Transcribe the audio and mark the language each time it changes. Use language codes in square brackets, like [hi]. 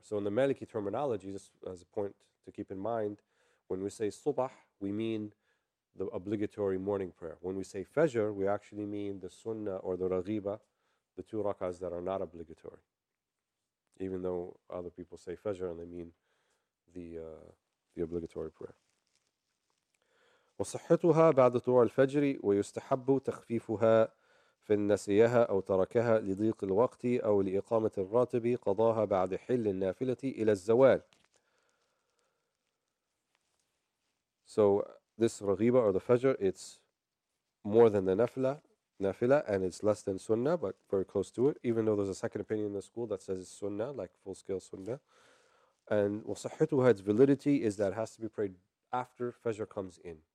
[en] So in the Maliki terminology, just as a point to keep in mind, when we say Subah, we mean the obligatory morning prayer. When we say Fajr, we actually mean the Sunnah or the raghiba, the two rak'ahs that are not obligatory. Even though other people say Fajr and they mean the obligatory prayer. [ar] وصحتها بعد طلوع الفجر ويستحب تخفيفها في النسيها أو تركها لضيق الوقت أو لإقامة الراتب قضاها بعد حل النافلة إلى الزوال. [en] So this raghiba or the fajr, it's more than the nafila and it's less than sunnah, but very close to it, even though there's a second opinion in the school that says it's sunnah, like full scale sunnah. And وصحتها, its validity is that it has to be prayed after fajr comes in.